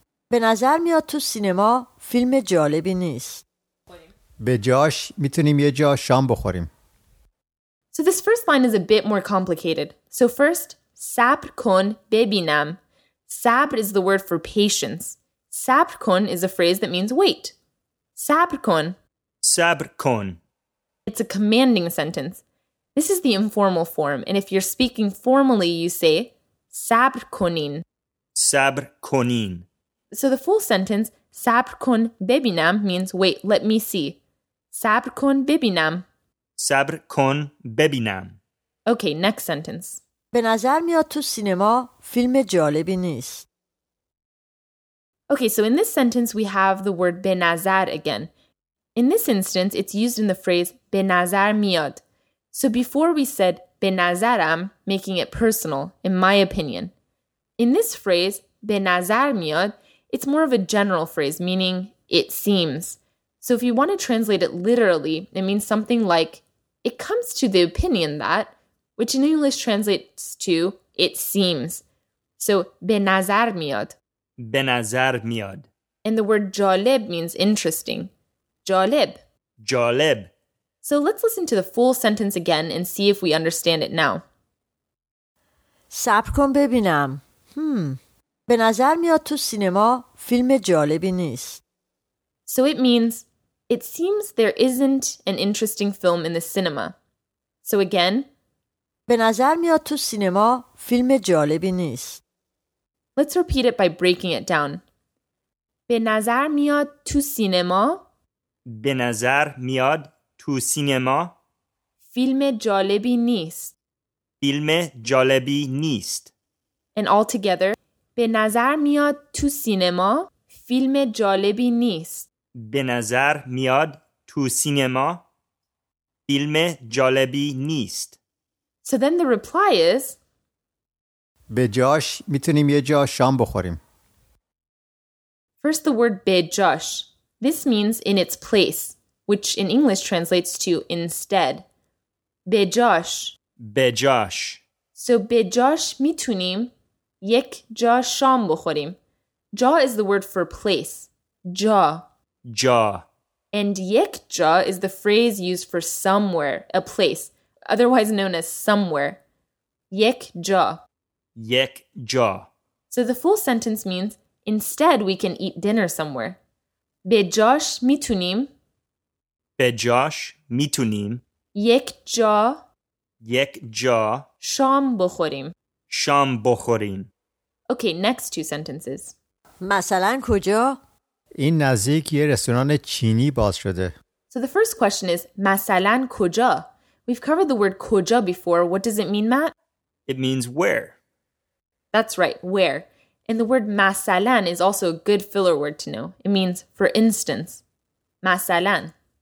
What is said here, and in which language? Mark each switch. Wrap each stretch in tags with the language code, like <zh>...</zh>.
<fa>به نظر میاد تو سینما فیلم جالبی نیست. به جاش میتونیم یه جا شام بخوریم.</fa> <en>So this first line is a bit more complicated. So first,</en> <fa>صبر کن ببینم.</fa> <en>صبر is the word for patience. صبر کن is a phrase that means wait. صبر کن.</en> <fa>صبر کن.</fa> <en>It's a commanding sentence. This is the informal form, and if you're speaking formally, you say</en> <fa>صبر کنین. صبر کنین.</fa> <en>So the full sentence</en> <fa>صبر کن ببینم</fa> <en>means wait, let me see.</en> <fa>صبر کن ببینم. صبر کن ببینم.</fa> <en>Okay, next sentence.</en> <fa>به نظر میاد تو سینما فیلم جالبی نیست.</fa> <en>Okay, so in this sentence we have the word به نظر again. In this instance, it's used in the phrase</en> <fa>به نظر میاد.</fa> <en>So before we said به نظرم, making it personal, in my opinion. In this phrase,</en> <fa>به نظر میاد,</fa> <en>it's more of a general phrase, meaning it seems. So if you want to translate it literally, it means something like it comes to the opinion that, which in English translates to it seems.</en> <fa>So به نظر میاد. به نظر میاد.</fa> <en>And the word جالب means interesting. جالب.</en> <fa>جالب.</fa> <en>So let's listen to the full sentence again and see if we understand it now.</en> <fa>صبر کن ببینم. به نظر میاد تو سینما فیلم جالبی نیست.</fa> <en>So it means, it seems there isn't an interesting film in the cinema. So again,</en> <fa>به نظر میاد تو سینما فیلم جالبی نیست.</fa> <en>Let's repeat it by breaking it down.</en> <fa>به نظر میاد تو سینما. به نظر میاد تو سینما. فیلم جالبی نیست. فیلم جالبی نیست.</fa> <en>And altogether,</en> <fa>به نظر میاد تو سینما فیلم جالبی نیست. به نظر میاد تو سینما فیلم جالبی نیست.</fa> <en>So then the reply is,</en> <fa>به جاش میتونیم یه جا شام بخوریم.</fa> <en>First, the word به جاش. This means in its place, which in English translates to instead.</en> <fa>به جاش. به جاش.</fa> <en>So</en> <fa>به جاش میتونیم یک جا شام بخوریم.</fa> <en>جا is the word for place. جا.</en> <fa>جا.</fa> <en>And یک جا is the phrase used for somewhere, a place, otherwise known as somewhere.</en> <fa>یک جا. یک جا.</fa> <en>So the full sentence means, instead we can eat dinner somewhere.</en> <fa>به جاش میتونیم. به جاش میتونیم. یک جا. یک جا. شام بخوریم. شام بخوریم.</fa> <en>Okay, next two sentences.</en> <fa>مثلا کجا؟ این نزدیک یه رستوران چینی باز شده.</fa> <en>So the first question is</en> <fa>مثلا کجا؟</fa> <en>We've covered the word کجا before. What does it mean, Matt? It means where. That's right, where. And the word مثلا is also a good filler word to know. It means for instance. مثلا.</en>